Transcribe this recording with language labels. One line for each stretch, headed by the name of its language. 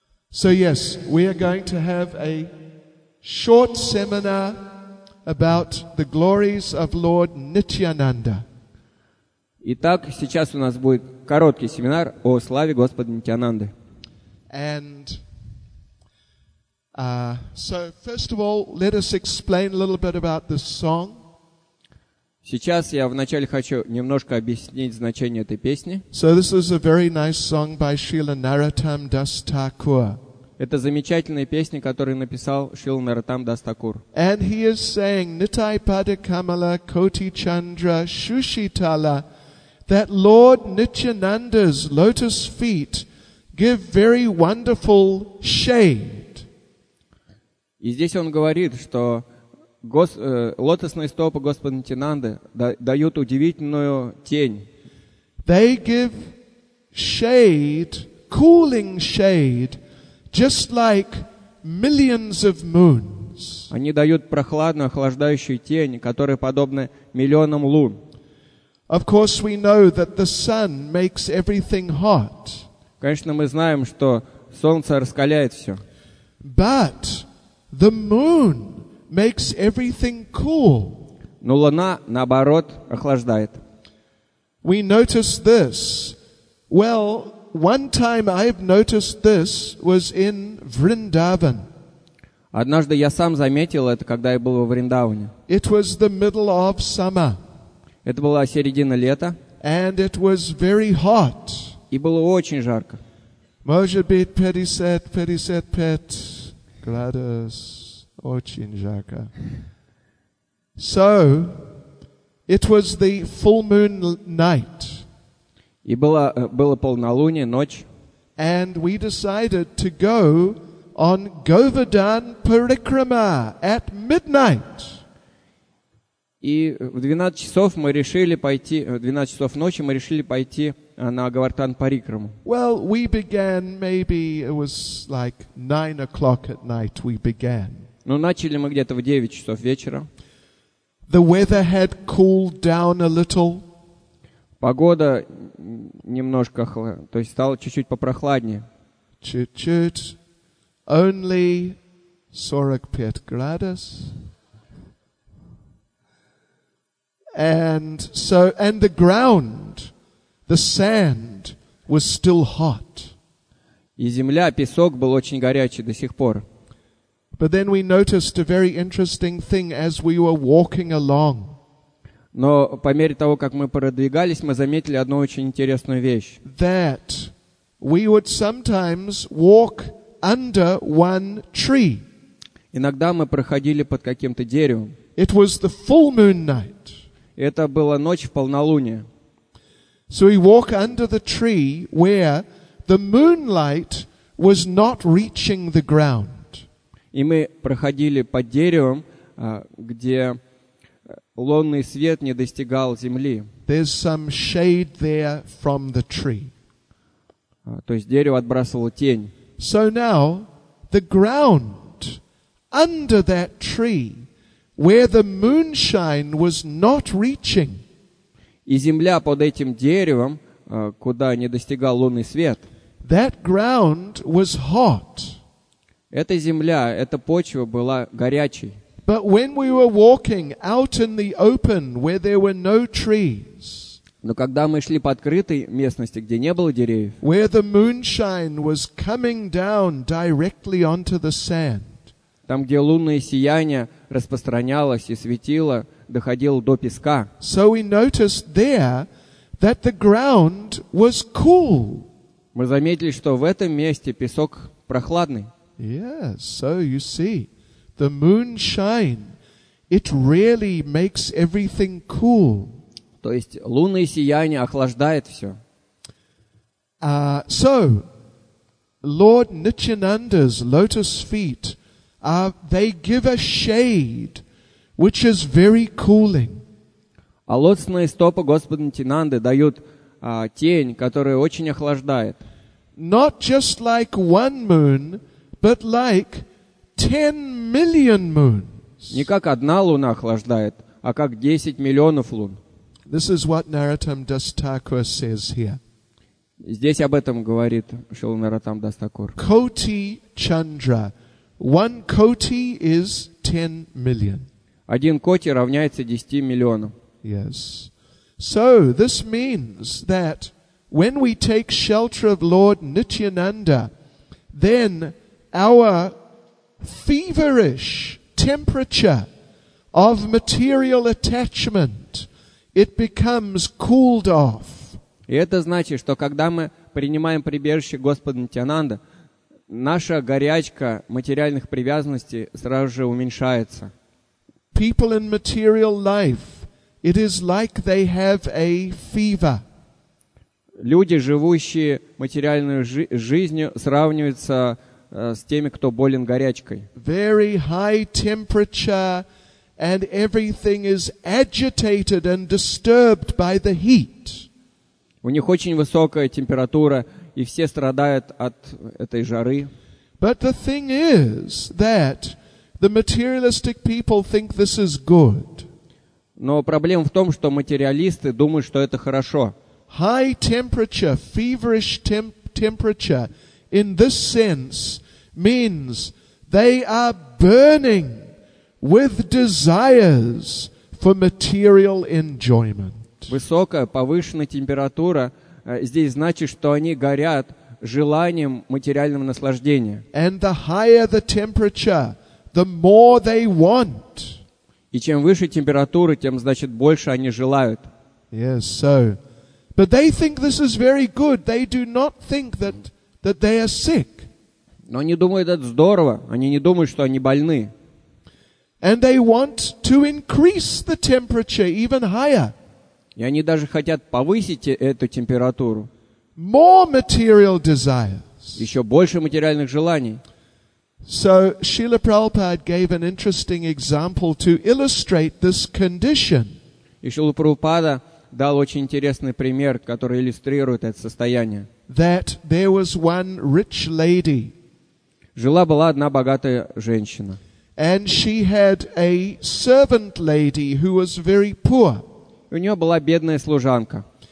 English: So yes, we are going to have a short seminar about the glories of Lord Nityananda.
Russian: Итак, сейчас у нас будет короткий семинар о славе Господа Нитьянанды.
English: And so first of all, let us explain a little bit about this song.
Russian: Сейчас я вначале хочу немножко объяснить значение этой песни.
English: So this is a very nice song by Srila Narottam Das Thakur.
Russian: Это замечательная песня, которую написал Шрила Наротам Дас Такур.
English: And he is saying,
Bangla: Nitai Pada Kamala Koti Chandra Shushitala,
English: that Lord Nityananda's lotus feet give very wonderful shade.
Russian: И здесь он говорит, что лотосные стопы Господа Нитинанды дают удивительную тень.
English: They give shade, cooling shade, just like millions of moons.
Russian: Они дают прохладную, охлаждающую тень, которая подобна миллионам лун.
English: Of course, we know that the sun makes everything hot.
Russian: Конечно, мы знаем, что солнце раскаляет все.
English: But the moon makes everything cool.
Russian: Но луна, наоборот, охлаждает.
English: We notice this. Well, one time I've noticed this was in Vrindavan.
Russian: Однажды я сам заметил это, когда я был во Вриндаване.
English: It was the middle of summer.
Russian: Это была середина лета.
English: And it was very hot.
Russian: И было очень жарко. Может быть, пятьдесят пять градусов, очень жарко.
English: So, it was the full moon night.
Russian: И было полнолуние, ночь.
English: And we decided to go on Govardhan Parikrama at midnight.
Russian: И в 12 часов мы решили пойти, в 12 часов ночи мы решили пойти на Говардхан Парикраму.
English: Well, we began, maybe it was like 9 o'clock at night we began.
Russian: Ну, начали мы где-то в 9 часов вечера.
English: The weather had cooled down a little.
Russian: Погода немножко, то есть стало чуть-чуть попрохладнее. Чуть-чуть.
English: Only
Russian: 45 градусов.
English: And the ground, the sand, was still hot.
Russian: И земля, песок был очень горячий до сих пор.
English: But then we noticed a very interesting thing as we were walking along.
Russian: Но по мере того, как мы продвигались, мы заметили одну очень интересную вещь.
English: That we would sometimes walk under one tree.
Russian: Иногда мы проходили под каким-то деревом.
English: It was the full moon night.
Russian: Это была ночь в полнолуние.
English: So we walk under the tree where the moonlight was not reaching the ground.
Russian: И мы проходили под деревом, где лунный свет не достигал земли.
English: There's some shade there from the tree.
Russian: То есть дерево отбрасывало тень.
English: So now the ground under that tree, where the moonshine was not reaching.
Russian: И земля под этим деревом, куда не достигал лунный свет.
English: That ground was hot.
Russian: Эта земля, эта почва была горячей.
English: But when we were walking out in the open where there were no trees.
Russian: Но когда мы шли по открытой местности, где не было деревьев.
English: Where the moonshine was coming down directly onto the sand.
Russian: Там, где лунное сияние распространялось и светило, доходило до песка.
English: So we noticed there that the ground was cool.
Russian: Мы заметили, что в этом месте песок прохладный.
English: Yes, so you see, the moonshine, it really makes everything cool.
Russian: То есть лунное сияние охлаждает все.
English: So, Lord Nityananda's lotus feet, they give a shade which is very cooling.
Russian: А лотосные стопы Господа Нитинанды дают тень, которая очень охлаждает.
English: Not just like one moon, but like 10 million moons.
Russian: Не как одна луна охлаждает, а как 10 миллионов лун.
English: This is what Narottam Das Thakur says here.
Russian: Здесь об этом говорит Шрила Наротам Дас Такур.
English: Koti Chandra. One koti is 10 million.
Russian: Один коти равняется 10 миллионам.
English: Yes. So this means that when we take shelter of Lord Nityananda, then our feverish temperature of material attachment, it becomes cooled off.
Russian: И это значит, что когда мы принимаем прибежище Господа Нитянанда, наша горячка материальных привязанностей сразу же уменьшается.
English: People in material life, it is like they have a fever.
Russian: Люди, живущие материальной жизнью, сравниваются с теми, кто болен горячкой.
English: Very high temperature, and everything is agitated and disturbed by the heat.
Russian: У них очень высокая температура, и все страдают от этой жары.
English: But the thing is that the materialistic people think this is good.
Russian: Но проблема в том, что материалисты думают, что это хорошо.
English: High temperature, feverish temperature in this sense means they are burning with desires for material enjoyment.
Russian: Высокая, повышенная температура здесь значит, что они горят желанием материального наслаждения.
English: And the higher the temperature, the more they want.
Russian: И чем выше температура, тем, значит, больше они желают.
English: Yes, so. But they think this is very good. They do not think that they are sick.
Russian: Но они думают, это здорово. Они не думают, что они больны.
English: And they want to increase the temperature even higher.
Russian: И они даже хотят повысить эту температуру.
English: More material desires.
Russian: Еще больше материальных желаний.
English: So Srila Prabhupada gave an interesting example to illustrate this condition.
Russian: И Шрила Прабхупада дал очень интересный пример, который иллюстрирует это состояние.
English: That there was one rich lady.
Russian: Жила была одна богатая женщина.
English: And she had a servant lady who was very poor.
Russian: У нее была бедная служанка.